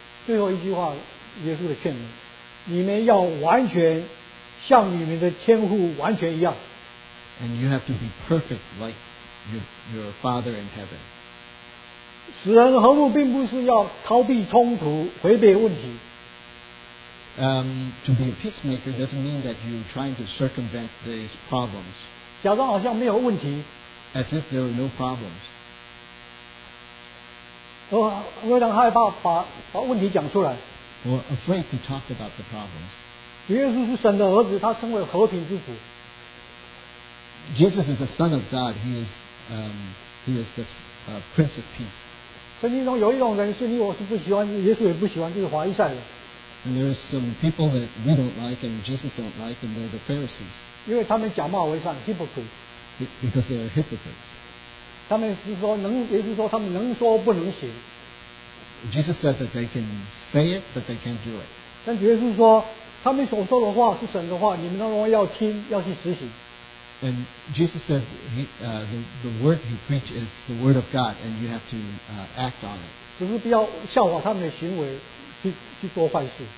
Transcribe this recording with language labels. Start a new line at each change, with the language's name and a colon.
Chinese: 最后一句话，耶稣的劝勉：你们要完全像你们的天父完全一样。
English: And you have to be perfect like your Father in heaven.
Chinese: 使人和睦并不是要逃避冲突、回避问题。
English: To be a peacemaker doesn't mean that you're trying to circumvent these problems.
Chinese: 假装好像没有问题。
English: As if there are no problems.
Chinese: 我非常害怕把问题讲出来。
English: We're afraid to talk about the problems.
Chinese: 耶稣是神的儿子，他称为和平之子。
English: Jesus is the Son of God. He is He is the Prince of Peace.
Chinese: 圣经中有一种人是你我是不喜欢，耶稣也不喜欢，就是法利赛人。
English: And there are some people that we don't like and Jesus don't like, and they're the Pharisees.
Chinese: 因为他们假冒为善,
English: hypocrites. Because they are hypocrites.
Chinese: 他们是说能，也就是说他们能说不能行。
English: Jesus said that they can say it, but they can't do it.
Chinese: 但耶稣说，他们所说的话是神的话，你们当然要听，要去实行。
English: And Jesus said, the word he preached is the word of God, and you have to act on it.
Chinese: 只是不要效法他们的行为，去做坏事。